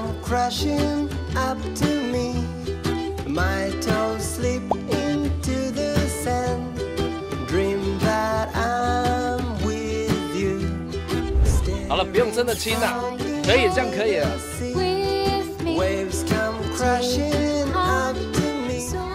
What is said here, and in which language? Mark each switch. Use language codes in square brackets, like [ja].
[en] Crashing up to me, my toes slip into the sand. Dream that I'm with you. [zh] 好了，不用真的亲了，可以，这样可以了。 [en] Waves come crashing up to me.